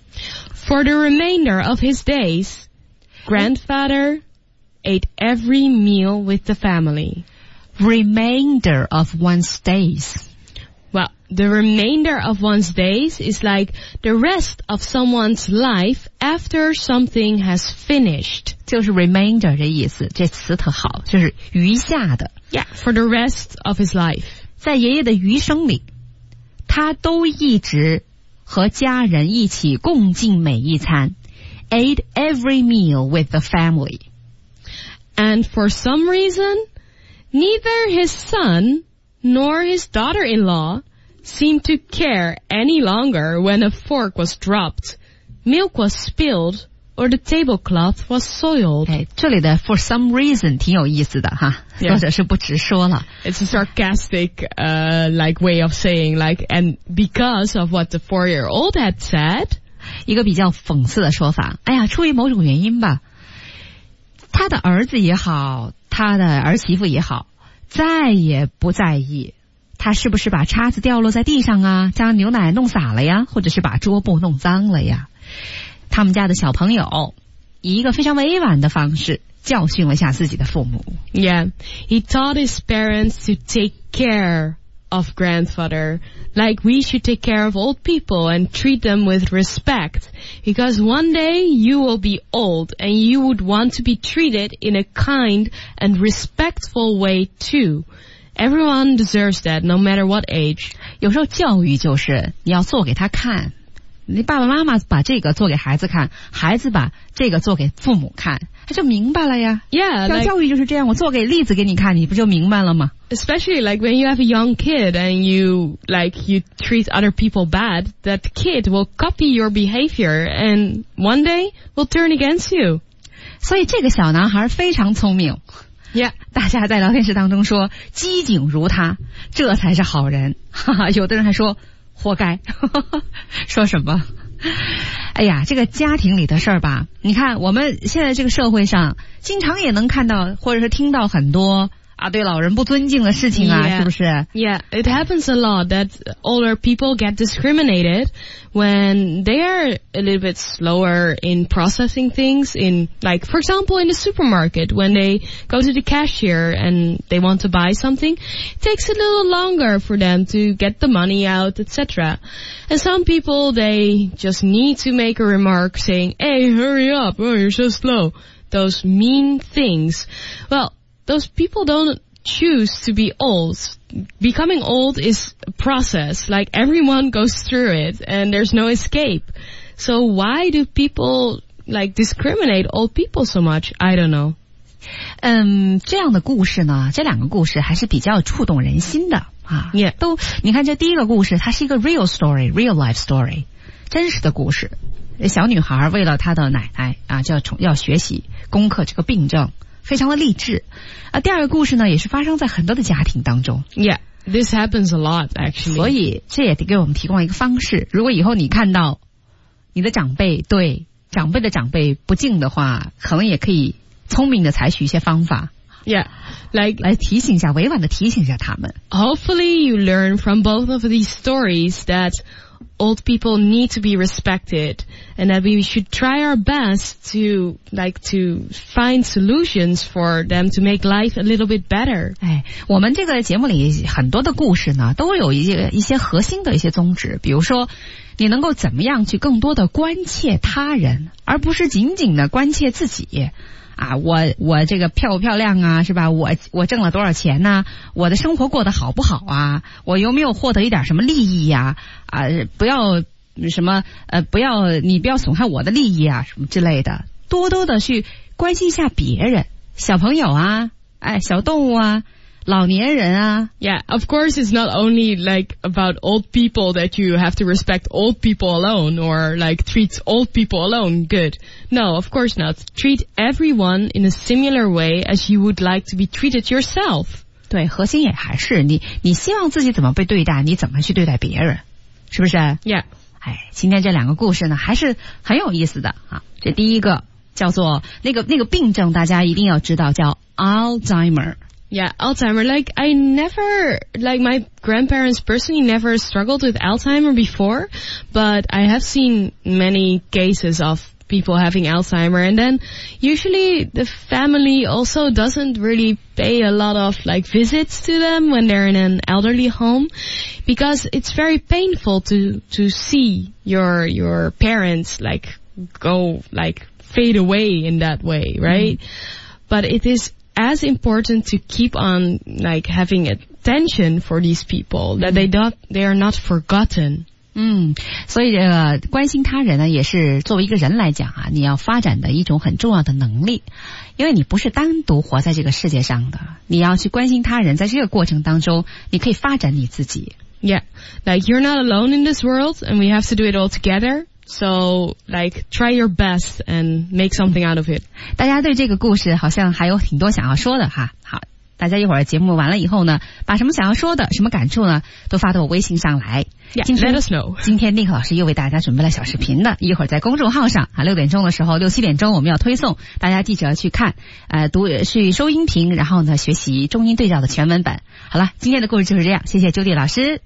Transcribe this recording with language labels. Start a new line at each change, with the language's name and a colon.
English: For the remainder of his days, grandfather ate every meal with the family. Remainder of one's days. Well, the remainder of one's days is like the rest of someone's life after something has finished.
Chinese: 就是 remainder 的意思，这词特好，就是余下的。
English: Yeah, for the rest of his life.
Chinese: 在爷爷的余生里，他都一直和家人一起共进每一餐
English: ate every meal with the family. And for some reason, neither his son nor his daughter-in-law seemed to care any longer when a fork was dropped, milk was spilled, or the tablecloth was soiled.
Chinese: 这里的
English: for some reason
Chinese: 挺有意思的哈。
English: Yeah.
Chinese: 或者是不直说了
English: It's a sarcastic like way of saying like And because of what the four-year-old had said
Chinese: 一个比较讽刺的说法哎呀出于某种原因吧他的儿子也好他的儿媳妇也好再也不在意他是不是把叉子掉落在地上啊将牛奶弄洒了呀或者是把桌布弄脏了呀他们家的小朋友以一个非常委婉的方式教训了下自己的父母。
English: Yeah, he taught his parents to take care of grandfather, like we should take care of old people and treat them with respect, because one day you will be old and you would want to be treated in a kind and respectful way too. Everyone deserves that, no matter what age.
Chinese: 有时候教育就是你要做给他看，你爸爸妈妈把这个做给孩子看，孩子把这个做给父母看，他就明白了呀。
English: Yeah, like,
Chinese: 教育就是这样，我做给例子给你看，你不就明白了吗？
English: Especially like when you have a young kid and you like you treat other people bad, that kid will copy your behavior and one day will turn against you.
Chinese: 所以这个小男孩非常聪明。
English: Yeah,
Chinese: 大家在聊天室当中说机警如他，这才是好人。哈哈，有的人还说活该。说什么，哎呀，这个家庭里的事儿吧，你看我们现在这个社会上经常也能看到或者是听到很多啊对老人不尊敬的事情啊。
English: Yeah,
Chinese: 是不是？
English: Yeah, it happens a lot that older people get discriminated when they are a little bit slower in processing things, in like for example in the supermarket when they go to the cashier and they want to buy something, it takes a little longer for them to get the money out, etc. And some people, they just need to make a remark saying, hey, hurry up, oh, you're so slow, those mean things. Well,those people don't choose to be old. Becoming old is a process. Like, everyone goes through it, and there's no escape. So why do people, like, discriminate old people so much? I don't know.
Chinese: 这样的故事呢，这两个故事还是比较触动人心的啊。
English: Yeah.
Chinese: 都，你看这第一个故事，它是一个
English: real story, real life story,
Chinese: 真实的故事。小女孩为了她的奶奶啊，要学习攻克这个病症。非常的励志。第二个故事呢，也是发生在很多的家庭当中。
English: Yeah, this happens a lot, actually.
Chinese: 所以这也给我们提供了一个方式，如果以后你看到你的长辈对长辈的长辈不敬的话，可能也可以聪明的采取一些方法。
English: Yeah, like,
Chinese: 来提醒一下，委婉的提醒一下他们。
English: Hopefully you learn from both of these stories that old people need to be respected and that we should try our best to, like, to find solutions for them to make life a little bit better.
Chinese: 哎，我们这个节目里很多的故事呢，都有一些核心的一些宗旨，比如说你能够怎么样去更多的关切他人，而不是仅仅的关切自己。啊，我这个漂不漂亮啊，是吧？我挣了多少钱呢？我的生活过得好不好啊？我有没有获得一点什么利益呀？啊，不要什么不要你不要损害我的利益啊，什么之类的，多多的去关心一下别人，小朋友啊，哎，小动物啊。老年人啊。
English: Yeah, of course it's not only like about old people that you have to respect old people alone or like treat old people alone good. No, of course not. Treat everyone in a similar way as you would like to be treated yourself.
Chinese: 对，核心也还是你希望自己怎么被对待，你怎么去对待别人，是不是？
English: Yeah.
Chinese: 哎，今天这两个故事呢还是很有意思的啊。这第一个叫做那个病症，大家一定要知道，叫 Alzheimer。
English: Yeah, Alzheimer, like I never, like my grandparents personally never struggled with Alzheimer before, but I have seen many cases of people having Alzheimer, and then usually the family also doesn't really pay a lot of like visits to them when they're in an elderly home, because it's very painful to see your parents like go like fade away in that way, right? But it isas important to keep on like having attention for these people, that they are not forgotten.
Chinese: 所以这个关心他人呢，也是作为一个人来讲啊，你要发展的一种很重要的能力，因为你不是单独活在这个世界上的，你要去关心他人，在这个过程当中你可以发展你自己。
English: Yeah, like you're not alone in this world and we have to do it all togetherSo, like, try your best and make something out of it.
Chinese: 大家对这个故事好像还有挺多想要说的哈。好，大家一会儿节目完了以后呢，把什么想要说的、什么感触呢，都发到我微信上来。
English: Yeah, let us know.
Chinese: 今天 Nick 老师又为大家准备了小视频的，一会儿在公众号上啊，六点钟的时候，六七点钟我们要推送，大家记者去看，读去收音频，然后呢学习中英对照的全文本。好了，今天的故事就是这样，谢谢 Judy 老师。